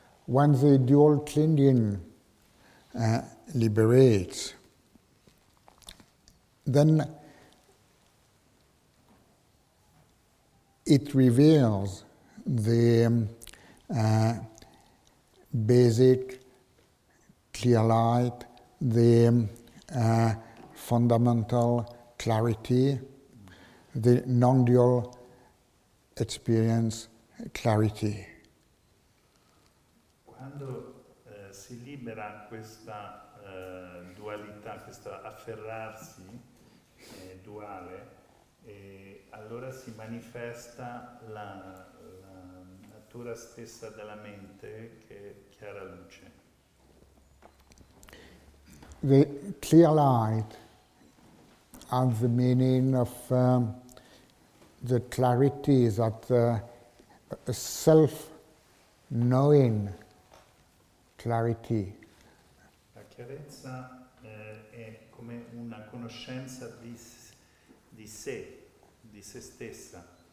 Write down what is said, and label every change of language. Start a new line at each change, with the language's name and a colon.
English: When the dual clinging liberates, then it reveals the basic clear light, the fundamental clarity, the non-dual experience clarity.
Italian: Quando si libera questa dualità, questo afferrarsi duale, allora si manifesta la natura stessa della mente, che chiara luce.
English: The clear light has the meaning of the clarity that a self-knowing clarity.
Italian: La chiarezza è come una conoscenza di sé, di se stessa.